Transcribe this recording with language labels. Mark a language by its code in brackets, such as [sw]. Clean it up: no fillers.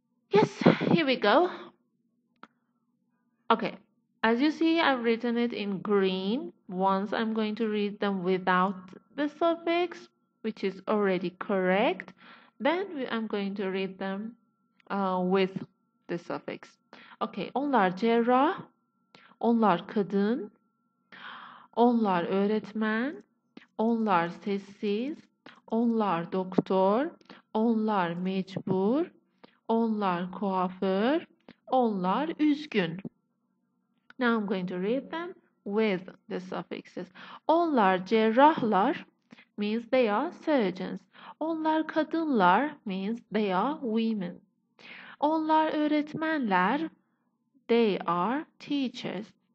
[en] Yes, here we go. Okay, as you see, I've written it in green. Once I'm going to read them without the suffix, which is already correct. Then I'm going to read them with the suffix. [tr] Okay, onlar cerrah. Onlar kadın, onlar öğretmen, onlar sessiz, onlar doktor, onlar mecbur, onlar kuaför, onlar üzgün. [en] Now I'm going to read them with the suffixes. [tr] Onlar cerrahlar [en] means they are surgeons. [tr] Onlar kadınlar [en] means they are women. [tr] Onlar öğretmenler, [en] they are teachers.